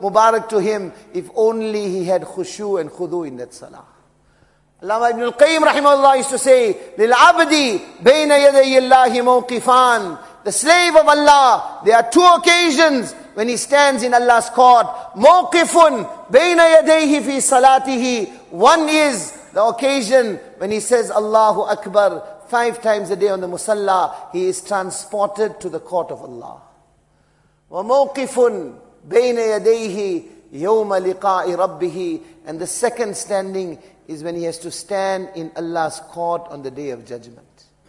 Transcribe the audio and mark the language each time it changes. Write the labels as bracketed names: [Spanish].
[English] Mubarak to him, if only he had khushu and khudu in that salah. Allama ibn al-Qayyim rahimahullah used to say, [Arabic] لِلْعَبْدِ بَيْنَ يَدَيِّ اللَّهِ مَوْقِفَانِ. [English] The slave of Allah, there are two occasions when he stands in Allah's court. [Arabic] مَوْقِفٌ بَيْنَ يَدَيْهِ فِي صَلَاتِهِ. [English] One is the occasion when he says Allahu Akbar 5 times a day on the Musalla, he is transported to the court of Allah. [Arabic] وَمَوْقِفٌ بَيْنَ يَدَيْهِ يَوْمَ لِقَاءِ رَبِّهِ. [English] And the second standing is when he has to stand in Allah's court on the day of judgment.